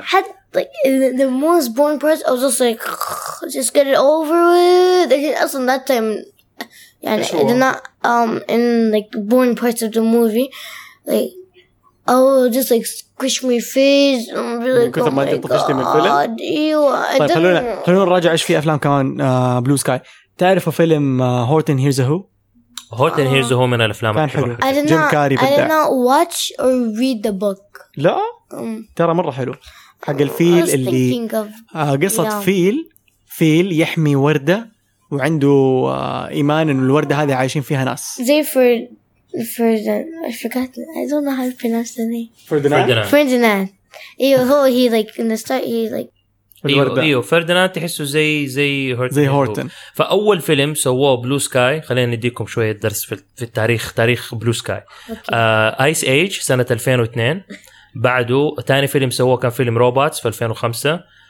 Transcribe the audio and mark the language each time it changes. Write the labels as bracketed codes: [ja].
[en] حتى the most boring part I was just like just get it over with. I didn't اصلا that time يعني I did not in like boring parts of the movie like oh just like squish my face and be like oh my god. [ar] خلونا نراجع ايش في افلام كمان. بلو سكاي، تعرف فيلم هورتن هيرز هو؟ هورتن هيرز هو من الأفلام [en] الحلوة. Jim Carrey بدأ. I did not watch or read the book. [ar] لا. ترى مرة حلو. حق الفيل اللي قصة فيل يحمي وردة وعنده إيمان إنه الوردة هذه عايشين فيها ناس. [en] زي I forgot. I don't know how to pronounce the name. [ar] فيرديناند. [en] إيوه هو he like in the start he like. [ar] ايوه فيرديناند تحسه زي هورتن. زي هورتن. فاول فيلم سووه بلو سكاي، خلينا نديكم شويه درس في تاريخ بلو سكاي. ايس ايج سنه 2002، بعده ثاني فيلم سووه كان فيلم روبوتس في 2005.